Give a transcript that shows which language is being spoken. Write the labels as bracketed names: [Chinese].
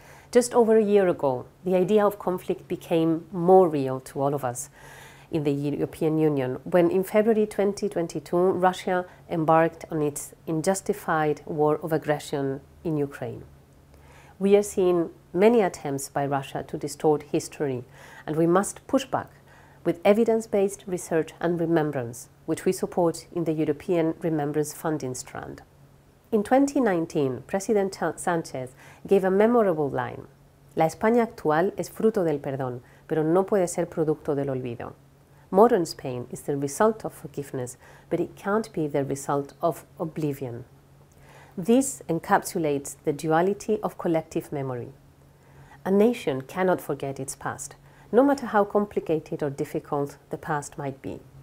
[English] Just over a year ago, the idea of conflict became more real to all of us in the European Union when, in February 2022, Russia embarked on its unjustified war of aggression in Ukraine. We are seeing many attempts by Russia to distort history, and we must push back with evidence-based research and remembrance, which we support in the European Remembrance Funding Strand. In 2019, President Sánchez gave a memorable line, [Spanish] "La España actual es fruto del perdón, pero no puede ser producto del olvido." [English] Modern Spain is the result of forgiveness, but it can't be the result of oblivion. This encapsulates the duality of collective memory. A nation cannot forget its past, no matter how complicated or difficult the past might be.